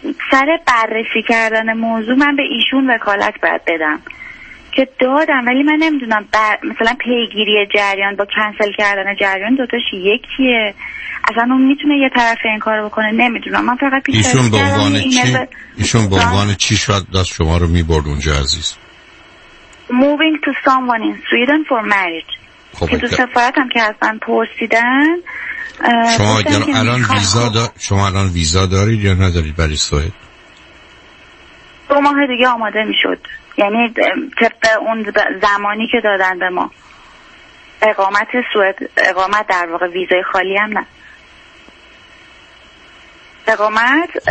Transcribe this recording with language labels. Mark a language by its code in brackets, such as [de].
[fa] سر بررسی کردن موضوع من به ایشون وکالت باید بدم که دادم، ولی من نمیدونم مثلا پیگیری جریان با کنسل کردن جریان دوتاش یکیه، اصلا اون میتونه یه طرف این کار بکنه نمیدونم، من فقط پیش ایشون به عنوان چی ایشون به عنوان چی شاید دست شما رو میبرد اونجا عزیز؟ [en] Moving to someone in Sweden for marriage. [fa] خب که تو سفارت هم که اصلا پرسیدن شما اگر الان ویزا شما الان ویزا دارید یا ندارید برای سوئد؟ 2 ماه دیگه آماده میشد، یعنی طبق اون زمانی که دادن به ما اقامت سوئد، اقامت در واقع ویزای خالی هم نه، اقامت